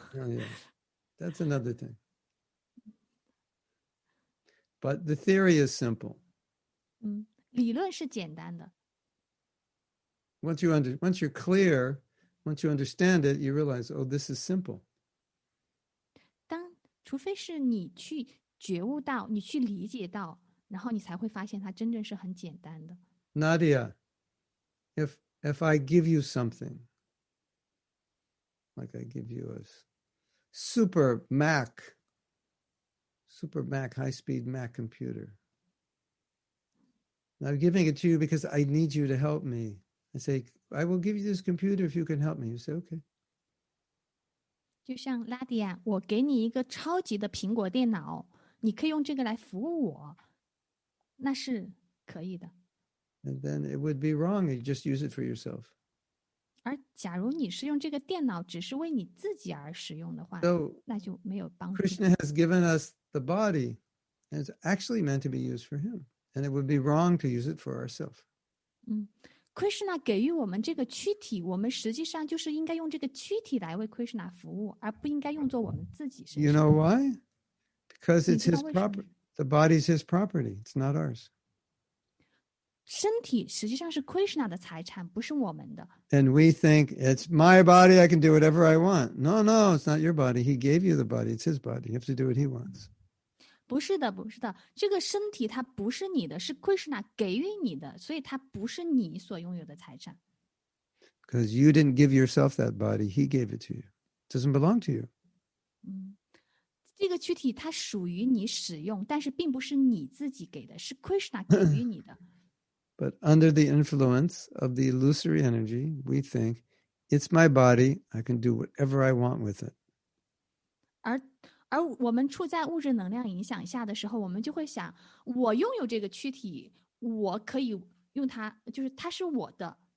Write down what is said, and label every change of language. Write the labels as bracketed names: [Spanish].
[English] Oh, yeah. That's another thing. But the theory is simple. [Chinese] 理论是简单的。 [English] Once you're clear, once you understand it, you realize, oh, this is simple. [Chinese] 当除非是你去觉悟到，你去理解到，然后你才会发现它真正是很简单的。 [English] Nadia, if I give you something, like I give you a super Mac, high-speed Mac computer. Now, I'm giving it to you because I need you to help me. I say, I will give you this computer if you can help me. You say, okay. [Chinese] 就像拉迪亚，我给你一个超级的苹果电脑，你可以用这个来服务我，那是可以的。 [English] And then it would be wrong if you just use it for yourself. [Chinese] 而假如你是用这个电脑只是为你自己而使用的话，那就没有帮助。 [English] Krishna has given us the body, and it's actually meant to be used for him. And it would be wrong to use it for ourselves. [Chinese] Krishna 给予我们这个躯体，我们实际上就是应该用这个躯体来为 Krishna 服务，而不应该用作我们自己身上。 [English] You know why? Because it's his property. The body is his property. It's not ours. [Chinese] 身体实际上是 Krishna 的财产，不是我们的。 [English] And we think, it's my body, I can do whatever I want. No, it's not your body. He gave you the body, it's his body. You have to do what he wants. [Chinese] 不是的，这个身体它不是你的，是 Krishna 给予你的，所以它不是你所拥有的财产。 [English] Because you didn't give yourself that body, he gave it to you. It doesn't belong to you. [Chinese] 这个躯体它属于你使用，但是并不是你自己给的，是 Krishna 给予你的。 [English] But under the influence of the illusory energy, we think, it's my body, I can do whatever I want with it. [Chinese] 而我们处在物质能量影响下的时候，我们就会想，我拥有这个躯体，我可以用它，就是它是我的。